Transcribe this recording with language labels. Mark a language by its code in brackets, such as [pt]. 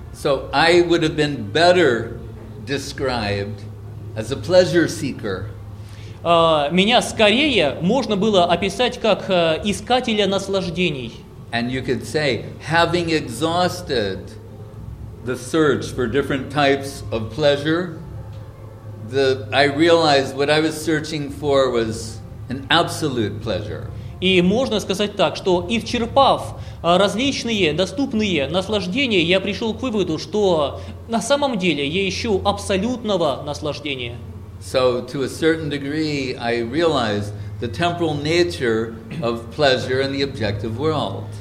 [en] So I would have been better described as a pleasure seeker. [ru] Меня скорее можно было описать как искателя наслаждений. [en] And you could say, having exhausted the search for different types of pleasure, I realized what I was searching for was an absolute pleasure. [ru] И можно сказать так, что исчерпав различные доступные наслаждения, я пришел к выводу, что на самом деле я ищу абсолютного наслаждения. [en] So to a certain degree, I realized the temporal nature of pleasure in the objective world.